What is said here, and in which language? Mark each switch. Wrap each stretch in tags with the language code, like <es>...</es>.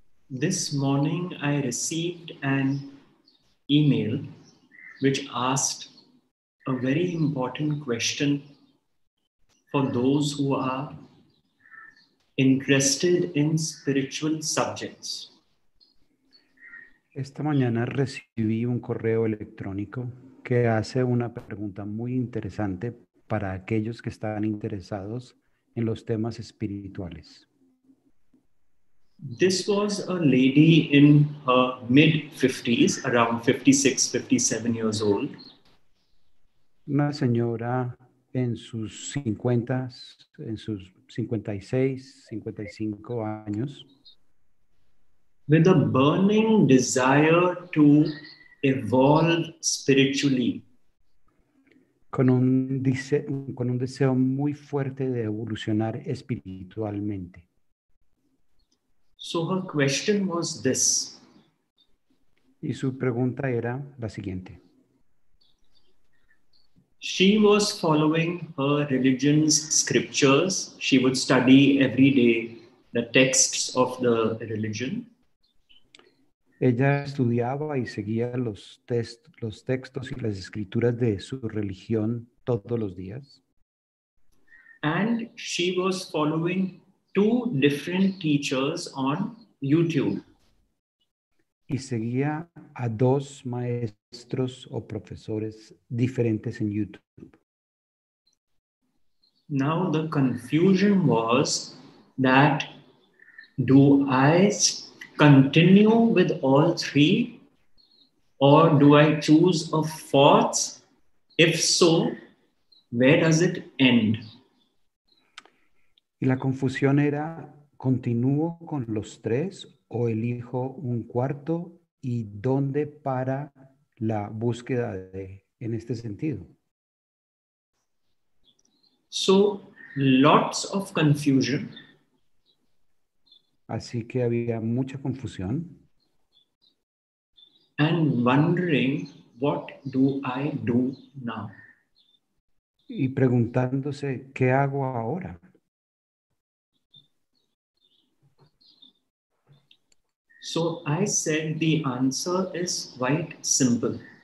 <en>This morning, I received an email which asked a very important question for those who are interested in spiritual subjects.</en> <es>Esta mañana recibí un correo electrónico que hace una pregunta muy interesante para aquellos que están interesados en los temas espirituales.</es> <en>This was a lady in her mid-50s, around 56, 57 years old.</en> <es>Una señora en sus 50, en sus 56, 55 años.</es> <en>With a burning desire to evolve spiritually.</en> <es>Con un deseo muy fuerte de evolucionar espiritualmente.</es> <en>So her question was this.</en> <es>Y su pregunta era la siguiente.</es> <en>She was following her religion's scriptures. She would study every day the texts of the religion.</en> <es>Ella estudiaba y seguía los textos y las escrituras de su religión todos los días.</es> <en>And she was following two different teachers on YouTube.</en> <es>Y seguía a dos maestros o profesores diferentes en YouTube.</es> <en>Now the confusion was that do I continue with all three, or do I choose a fourth? If so, where does it end?</en> <es>Y la confusión era, ¿continúo con los tres o elijo un cuarto? ¿Y dónde para la búsqueda de, en este sentido?</es> <en>So, lots of confusion.</en> <es>Así que había mucha confusión.</es> <en>And wondering, what do I do now?</en> <es>Y preguntándose, ¿qué hago ahora?</es> <en>So I said the answer is quite simple.</en>